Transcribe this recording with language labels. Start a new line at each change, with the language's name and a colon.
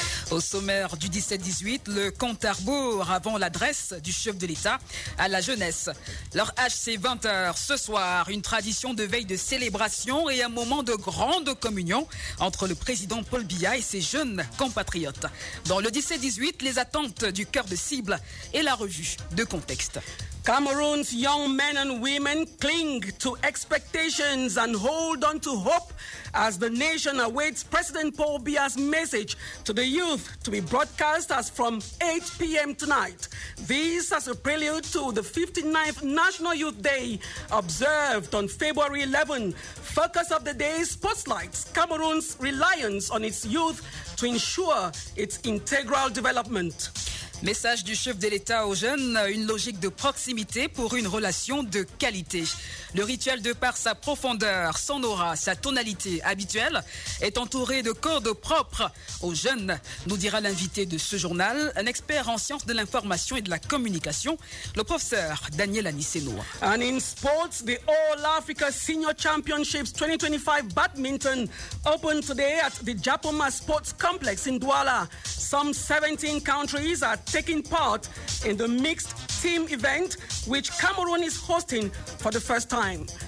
French: Au sommaire du 17-18, le compte à rebours avant l'adresse du chef de l'État à la jeunesse. Leur HC 20h ce soir, une tradition de veille de célébration et un moment de grande communion entre le président Paul Biya et ses jeunes compatriotes. Dans le 17-18, les attentes du cœur de cible et la revue de contexte.
English: Cameroon's young men and women cling to expectations and hold on to hope as the nation awaits President Paul Biya's message to the youth to be broadcast as from 8 p.m. tonight. This as a prelude to the 59th National Youth Day observed on February 11. Focus of the day spotlights Cameroon's reliance on its youth to ensure its integral development.
French: Message du chef de l'État aux jeunes, une logique de proximité pour une relation de qualité. Le rituel, de par sa profondeur, son aura, sa tonalité habituelle, est entouré de codes propres aux jeunes, nous dira l'invité de ce journal, un expert en sciences de l'information et de la communication, le professeur Daniel Anissenoa.
English: And in sports, the All Africa Senior Championships 2025 badminton opened today at the Japoma Sports Complex in Douala. Some 17 countries are taking part in the mixed team event, which Cameroon is hosting for the first time.